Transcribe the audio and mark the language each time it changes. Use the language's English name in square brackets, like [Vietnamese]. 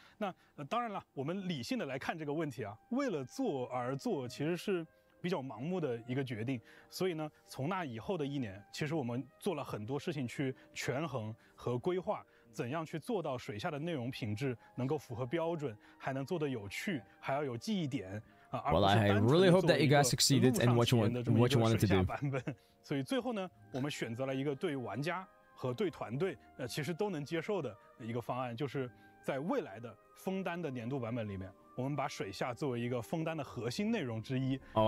[Chinese] 那当然了，我们理性的来看这个问题啊，为了做而做其实是比较盲目的一个决定。所以呢，从那以后的一年，其实我们做了很多事情去权衡和规划，怎样去做到水下的内容品质能够符合标准，还能做得有趣，还要有记忆点啊。 [English] Well, I really hope that you guys succeeded in what you wanted to do. [Chinese] 所以最后呢，我们选择了一个对于玩家和对团队其实都能接受的一个方案，就是在未来的枫丹的年度版本里面，我们把水下作为一个枫丹的核心内容之一。